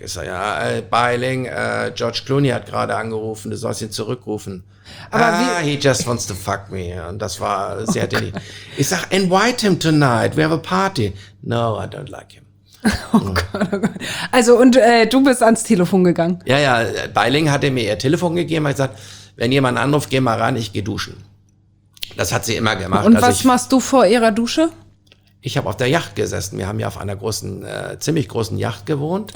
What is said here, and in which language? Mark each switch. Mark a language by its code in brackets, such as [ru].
[de] Ist er, ja, Bai Ling, George Clooney hat gerade angerufen, du sollst ihn zurückrufen. Aber [en] he just wants to fuck me. [de] Und das war sehr dilly. Ich sag, [en] invite him tonight, we have a party. No, I don't like him. [de] Oh Gott. Also, und du bist ans Telefon gegangen? Ja, Bai Ling hatte mir ihr Telefon gegeben, hat gesagt, wenn jemand anruft, geh mal ran, ich geh duschen. Das hat sie immer gemacht. Und was machst du vor ihrer Dusche? Ich habe auf der Yacht gesessen. Wir haben ja auf einer großen, ziemlich großen Yacht gewohnt.